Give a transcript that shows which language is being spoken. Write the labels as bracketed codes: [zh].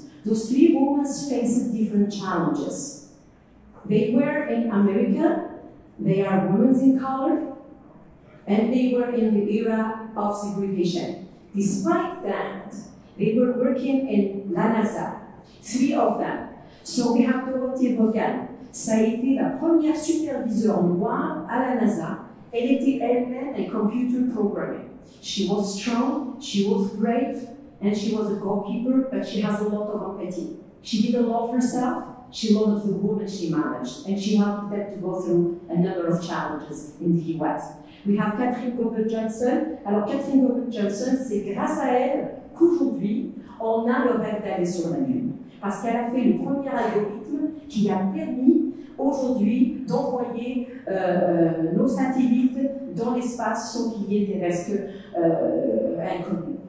[en] Those three women faced different challenges. They were in America, they are women in color, and they were in the era of segregation. Despite that, they were working in La NASA, three of them. So we have Dorothy Vaughan. [fr] Ça a été la première superviseur noire à La NASA. Elle était elle-même [en] a computer programmer. She was strong, she was brave, and she was a goalkeeper, but she has a lot of empathy. She didn't love herself, she loved the woman she managed, and she helped them to go through a number of challenges in the US. We have Catherine Gobert-Johnson. [fr] Alors, Catherine Gobert-Johnson, c'est grâce à elle qu'aujourd'hui, on a le rêve d'aller sur la Lune. Parce qu'elle a fait le premier algorithme qui a permis aujourd'hui d'envoyer nos satellites dans l'espace sans qu'il y ait des risques inconnus.